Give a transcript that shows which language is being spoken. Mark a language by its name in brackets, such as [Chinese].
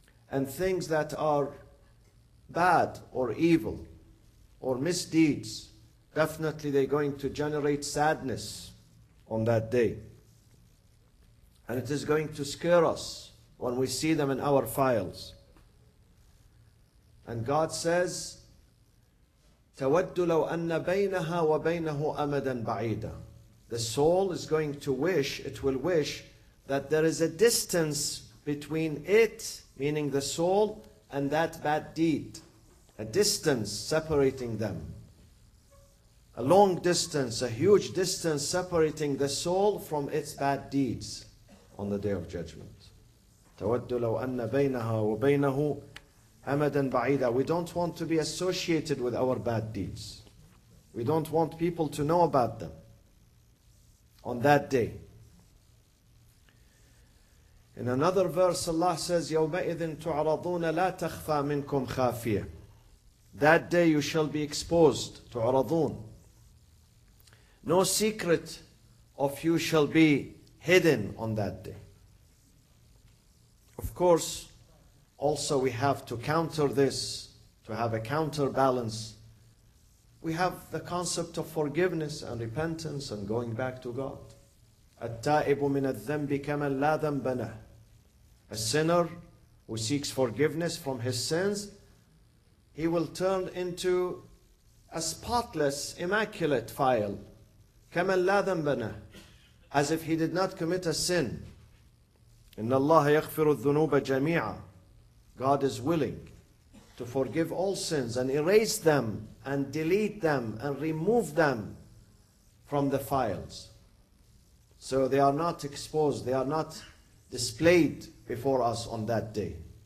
[English] And things that are bad or evil or misdeeds, definitely they're going to generate sadness on that day. And it is going to scare us when we see them in our files. And God says, [Arabic] تود لو أن بينها وبينه أمدا بعيدا. [English] The soul is going to wish, it will wish, that there is a distance between it, meaning the soul, and that bad deed. A distance separating them. A long distance, a huge distance separating the soul from its bad deeds on the Day of Judgment. [Arabic] تود لو أن بينها وبينه Amadan Ba'ida. [English] We don't want to be associated with our bad deeds. We don't want people to know about them on that day. In another verse, Allah says, [Arabic] يَوْمَئِذٍ تُعْرَضُونَ لَا تَخْفَى مِنْكُمْ خَافِيَةً. [English] That day you shall be exposed. [Arabic] تُعْرَضُونَ. [English] No secret of you shall be hidden on that day. Of course, also we have to counter this, to have a counterbalance. We have the concept of forgiveness and repentance and going back to God. [Arabic] التائب من الذنب كمن لا ذنب له. [English] A sinner who seeks forgiveness from his sins, he will turn into a spotless, immaculate file. [Arabic] كمن لا ذنب له. [English] As if he did not commit a sin. [Arabic] إن الله يغفر الذنوب جميعا. [English] God is willing to forgive all sins and erase them and delete them and remove them from the files. So they are not exposed, they are not displayed before us on that day.